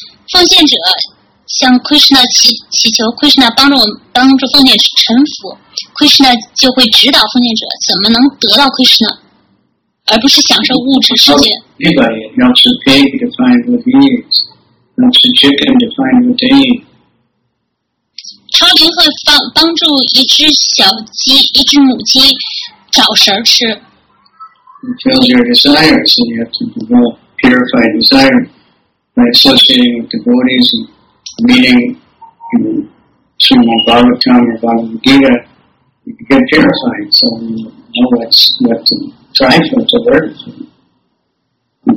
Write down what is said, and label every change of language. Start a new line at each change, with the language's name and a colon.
Chinese: 奉献者向 Krishna 祈求 Krishna 帮助奉献者臣服， Krishna 就会指导奉献者怎么能得到 Krishna， 而不是享受物质世界。
English: Anybody helps a pig to find what he needs, helps a chicken to find what they need.
Chinese: 超灵会帮助一只小鸡、一只母鸡找食吃。
English: Fulfill your desires, and you have to develop purified desire. By associating with devotees and meeting in Srimad Bhagavatam or Bhagavad Gita, you can get purified, so you know what to try for, to learn from.